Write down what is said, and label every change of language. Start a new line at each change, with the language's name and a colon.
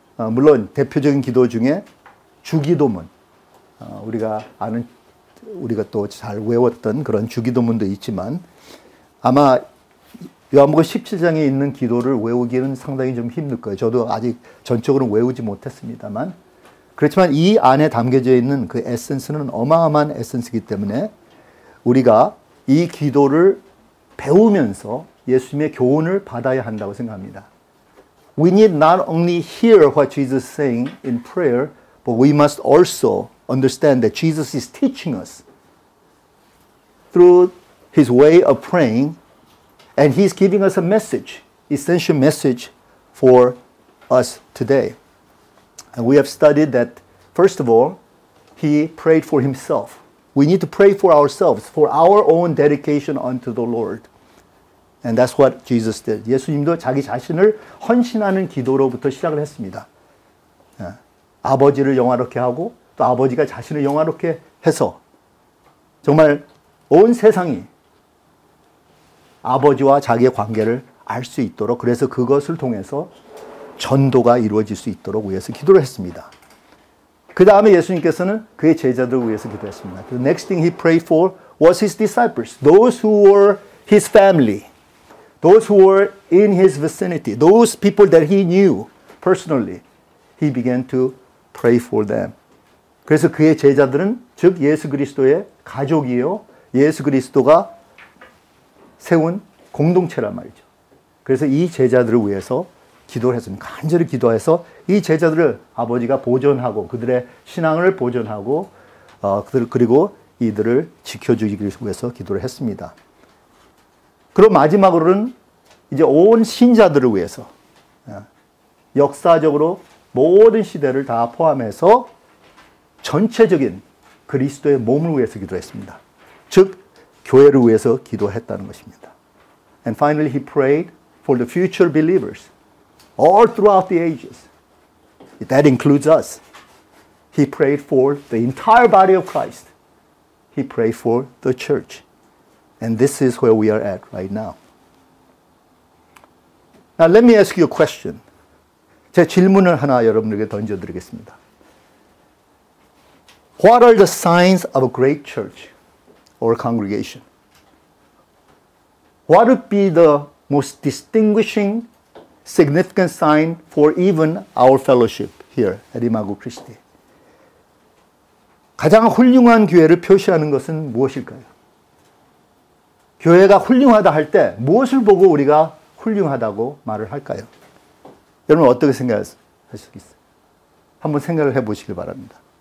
Korean: 물론 대표적인 기도 중에 주기도문 우리가 아는 우리가 또 잘 외웠던 그런 주기도문도 있지만 아마 요한복음 17장에 있는 기도를 외우기는 상당히 좀 힘들 거예요. 저도 아직 전적으로 외우지 못했습니다만 그렇지만 이 안에 담겨져 있는 그 에센스는 어마어마한 에센스이기 때문에 우리가 이 기도를 배우면서 예수님의 교훈을 받아야 한다고 생각합니다.
English: We need not only hear what Jesus is saying in prayer, but we must also understand that Jesus is teaching us through his way of praying, and he's giving us a message, essential message for us today. And we have studied that, first of all, he prayed for himself. We need to pray for ourselves, for our own dedication unto the Lord. And that's what Jesus did.
Korean: 예수님도 자기 자신을 헌신하는 기도로부터 시작을 했습니다. 아버지를 영화롭게 하고 또 아버지가 자신을 영화롭게 해서 정말 온 세상이 아버지와 자기의 관계를 알 수 있도록 그래서 그것을 통해서 전도가 이루어질 수 있도록 위해서 기도를 했습니다. 그 다음에 예수님께서는 그의 제자들을 위해서 기도했습니다.
English: The next thing he prayed for was his disciples. Those who were his family. Those who were in his vicinity. Those people that he knew personally. He began to pray for them.
Korean: 그래서 그의 제자들은 즉 예수 그리스도의 가족이요. 예수 그리스도가 세운 공동체란 말이죠. 그래서 이 제자들을 위해서 기도를 했습니다. 간절히 기도해서 이 제자들을 아버지가 보존하고 그들의 신앙을 보존하고 그리고 이들을 지켜주기 위해서 기도를 했습니다. 그리고 마지막으로는 이제 온 신자들을 위해서 역사적으로 모든 시대를 다 포함해서 전체적인 그리스도의 몸을 위해서 기도했습니다. 즉 교회를 위해서 기도했다는 것입니다.
English: And finally he prayed for the future believers. All throughout the ages. That includes us. He prayed for the entire body of Christ. He prayed for the church. And this is where we are at right now. Now let me ask you a question.
Korean: 제 질문을 하나 여러분에게 던져드리겠습니다.
English: What are the signs of a great church or congregation? What would be the most distinguishing significant sign for even our fellowship here at Imago Christi.
Korean: 가장 훌륭한 교회를 표시하는 것은 무엇일까요? 교회가 훌륭하다 할 때 무엇을 보고 우리가 훌륭하다고 말을 할까요? 여러분 어떻게 생각하실 수 있어요? 한번 생각을 해보시길 바랍니다.